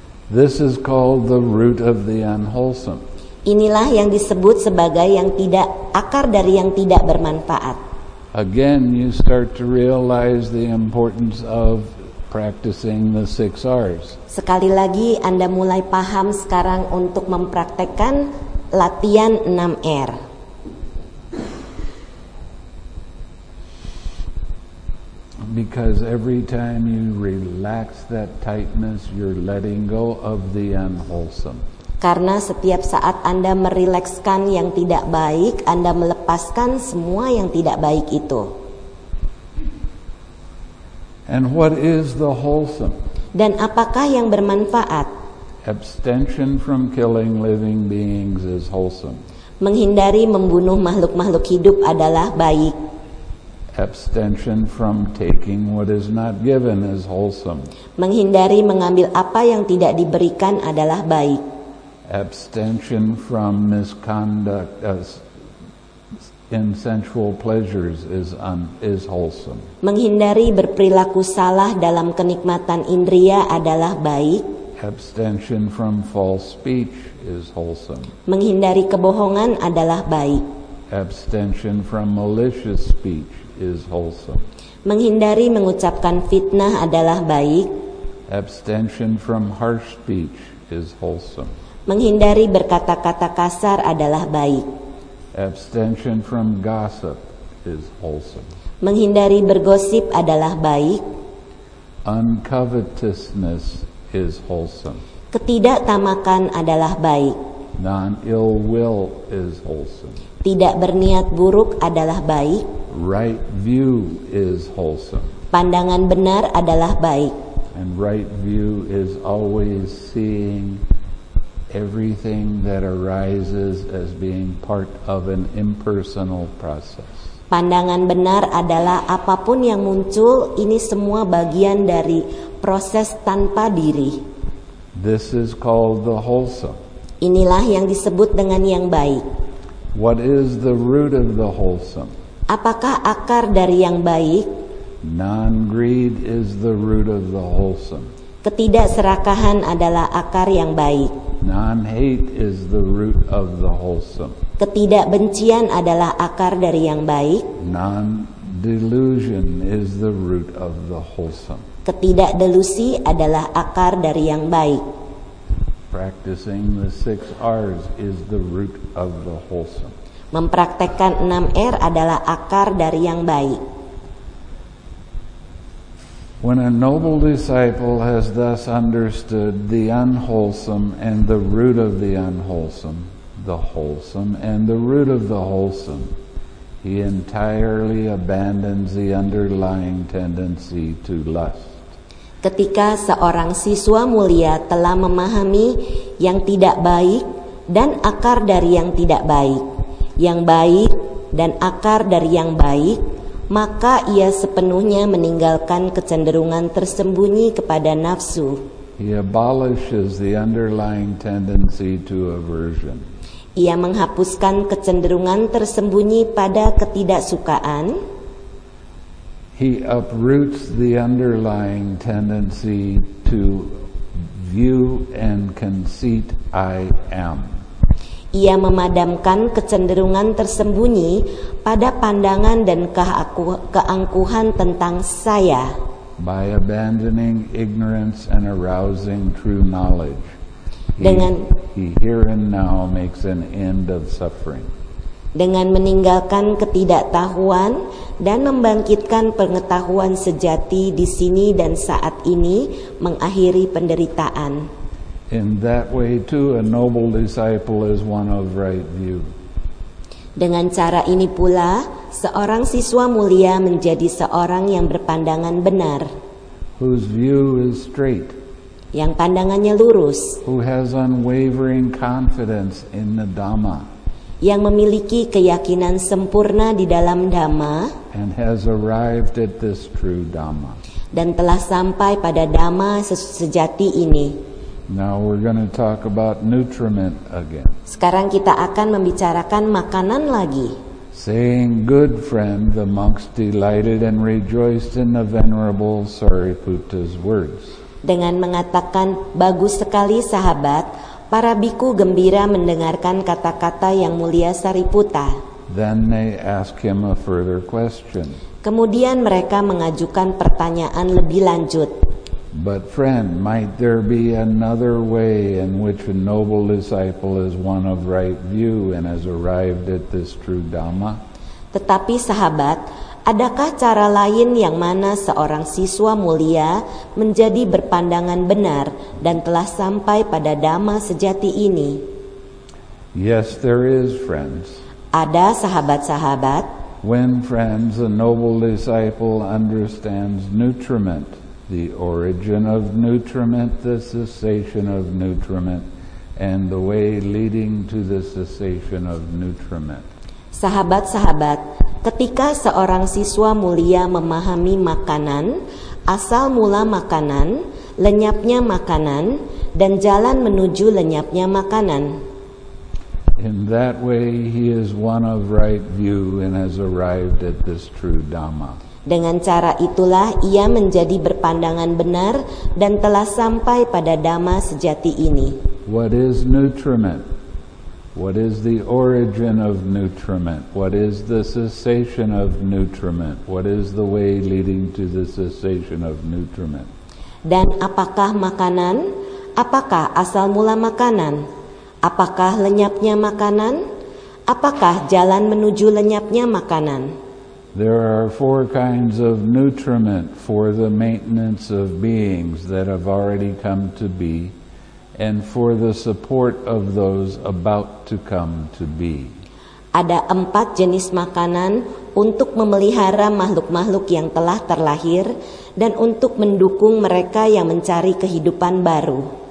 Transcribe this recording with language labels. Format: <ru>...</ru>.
<en>This is called the root of the unwholesome.</en> <id>Inilah yang disebut sebagai yang tidak, akar dari yang tidak bermanfaat.</id> <en>Again, you start to realize the importance of practicing the six R's.</en> <id>Sekali lagi, Anda mulai paham sekarang untuk mempraktekkan latihan 6 R.</id> <en>Because every time you relax that tightness, you're letting go of the unwholesome.</en> <id>Karena setiap saat Anda merilekskan yang tidak baik, Anda melepaskan semua yang tidak baik itu.</id> <en>And what is the wholesome?</en> <id>Dan apakah yang bermanfaat?</id> <en>Abstention from killing living beings is wholesome.</en> <id>Menghindari membunuh makhluk-makhluk hidup adalah baik.</id> <en>Abstention from taking what is not given is wholesome.</en> <id>Menghindari mengambil apa yang tidak diberikan adalah baik.</id> <en>Abstention from misconduct in sensual pleasures is wholesome.</en> <id>Menghindari berperilaku salah dalam kenikmatan indria adalah baik.</id> <en>Abstention from false speech is wholesome.</en> <id>Menghindari kebohongan adalah baik.</id> <en>Abstention from malicious speech is wholesome.</en> <id>Menghindari mengucapkan fitnah adalah baik.</id> <en>Abstention from harsh speech is wholesome.</en> <id>Menghindari berkata-kata kasar adalah baik.</id> <en>Abstention from gossip is wholesome.</en> <id>Menghindari bergosip adalah baik.</id> <en>Uncovetousness is wholesome.</en> <id>Ketidaktamakan adalah baik.</id> <en>Non-ill will is wholesome.</en> <id>Tidak berniat buruk adalah baik.</id> <en>Right view is wholesome.</en> <id>Pandangan benar adalah baik.</id> <en>And right view is always seeing everything that arises as being part of an impersonal process.</en> <id>Pandangan benar adalah apapun yang muncul, ini semua bagian dari proses tanpa diri.</id> <en>This is called the wholesome.</en> <id>Inilah yang disebut dengan yang baik.</id> <en>What is the root of the wholesome?</en> <id>Apakah akar dari yang baik?</id> <en>Non-greed is the root of the wholesome.</en> <id>Ketidakserakahan adalah akar yang baik.</id> <en>Non-hate is the root of the wholesome.</en> <id>Ketidakbencian adalah akar dari yang baik.</id> <en>Non-delusion is the root of the wholesome.</en> <id>Ketidakdelusi adalah akar dari yang baik.</id> <en>Practicing the six R's is the root of the wholesome.</en> <id>Mempraktekkan 6 R adalah akar dari yang baik.</id> <en>When a noble disciple has thus understood the unwholesome and the root of the unwholesome, the wholesome and the root of the wholesome, he entirely abandons the underlying tendency to lust.</en> <id>Ketika seorang siswa mulia telah memahami yang tidak baik dan akar dari yang tidak baik, yang baik dan akar dari yang baik, maka ia sepenuhnya meninggalkan kecenderungan tersembunyi kepada nafsu.</id> <en>He abolishes the underlying tendency to aversion.</en> <id>Ia menghapuskan kecenderungan tersembunyi pada ketidaksukaan.</id> <en>He uproots the underlying tendency to view and conceit I am.</en> <id>Ia memadamkan kecenderungan tersembunyi pada pandangan dan keangkuhan tentang saya.</id> <en>By abandoning ignorance and arousing true knowledge, he here and now makes an end of suffering.</en> <id>Dengan meninggalkan ketidaktahuan dan membangkitkan pengetahuan sejati di sini dan saat ini, mengakhiri penderitaan.</id> <en>In that way too, a noble disciple is one of right view.</en> <id>Dengan cara ini pula, seorang siswa mulia menjadi seorang yang berpandangan benar.</id> <en>Whose view is straight.</en> <id>Yang pandangannya lurus.</id> <en>Who has unwavering confidence in the Dhamma.</en> <id>Yang memiliki keyakinan sempurna di dalam Dhamma,</id> <en>and has arrived at this true Dhamma.</en> <id>Dan telah sampai pada Dhamma sejati ini.</id> <en>Now we're going to talk about nutriment again.</en> <id>Sekarang kita akan membicarakan makanan lagi.</id> <en>Saying good friend, the monks delighted and rejoiced in the venerable Sariputta's words.</en> <id>Dengan mengatakan bagus sekali sahabat, para bhikkhu gembira mendengarkan kata-kata yang mulia Sariputta.</id> <en>Then they ask him a further question.</en> <id>Kemudian mereka mengajukan pertanyaan lebih lanjut.</id> <en>But friend, might there be another way in which a noble disciple is one of right view and has arrived at this true Dhamma?</en> <id>Tetapi sahabat, adakah cara lain yang mana seorang siswa mulia menjadi berpandangan benar dan telah sampai pada Dhamma sejati ini?</id> <en>Yes, there is, friends.</en> <id>Ada, sahabat-sahabat.</id> <en>When, friends, a noble disciple understands nutriment, the origin of nutriment, the cessation of nutriment, and the way leading to the cessation of nutriment.</en> <id>Sahabat-sahabat, ketika seorang siswa mulia memahami makanan, asal mula makanan, lenyapnya makanan, dan jalan menuju lenyapnya makanan.</id> <en>In that way, he is one of right view and has arrived at this true Dhamma.</en> <id>Dengan cara itulah ia menjadi berpandangan benar dan telah sampai pada Dhamma sejati ini.</id> <en>What is nutriment? What is the origin of nutriment? What is the cessation of nutriment? What is the way leading to the cessation of nutriment?</en> <id>Dan apakah makanan? Apakah asal mula makanan? Apakah lenyapnya makanan? Apakah jalan menuju lenyapnya makanan?</id> <en>There are four kinds of nutriment for the maintenance of beings that have already come to be, and for the support of those about to come to be.</en> <id>Ada empat jenis makanan untuk memelihara makhluk-makhluk yang telah terlahir dan untuk mendukung mereka yang mencari kehidupan baru.</id>